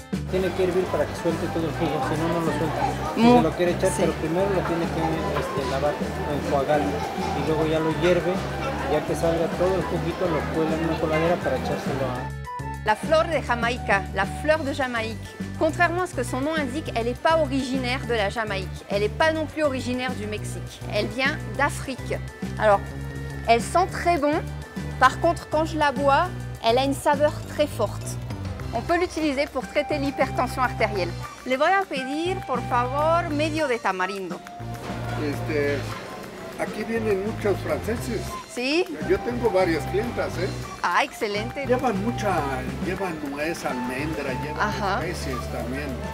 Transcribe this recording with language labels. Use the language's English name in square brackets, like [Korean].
[Spanish] Tiene que hervir para que suelte todo el jugo, si no, no lo suelta. Si se lo quiere echar, sí. Pero primero lo tiene que lavar, enjuagarlo. Y luego ya lo hierve, ya que salga todo el juguito, lo cuela en una coladera para echárselo a... La flor de Jamaica, [French] la fleur de Jamaïque. Contrairement à ce que son nom indique, elle n'est pas originaire de la Jamaïque. Elle n'est pas non plus originaire du Mexique. Elle vient d'Afrique. Alors, elle sent très bon. Par contre, quand je la bois, elle a une saveur très forte. On peut l'utiliser pour traiter l'hypertension artérielle. [Spanish] Le voy a pedir, por favor, medio de tamarindo. Aquí vienen muchos franceses. Sí. Yo tengo varias clientas, ¿eh? Ah, excelente. Llevan nuez, almendra, llevan especies también.